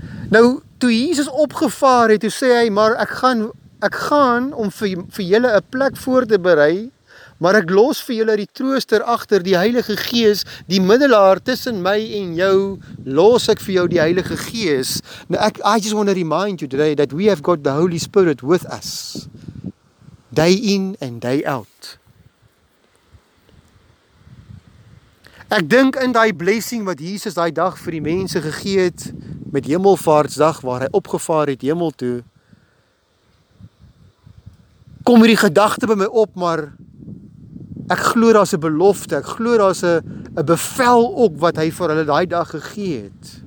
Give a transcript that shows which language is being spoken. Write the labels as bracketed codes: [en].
[af] Nou, toe Jesus opgevaar het, toe sê hy, maar ek gaan om vir julle 'n plek voor te berei, maar ek los vir julle die trooster agter, die Heilige Gees, die middelaar tussen my en jou, los ek vir jou die Heilige Gees. [en] Nou, I just want to remind you today that we have got the Holy Spirit with us, day in and day out. [af] Ek dink in die blessing wat Jesus die dag vir die mense gegee het, met Hemelvaartsdag waar hy opgevaar het hemel toe, kom hierdie gedagte by my op, maar ek glo daar's 'n belofte, ek glo daar's 'n bevel ook wat hy vir hulle daai dag gegee het.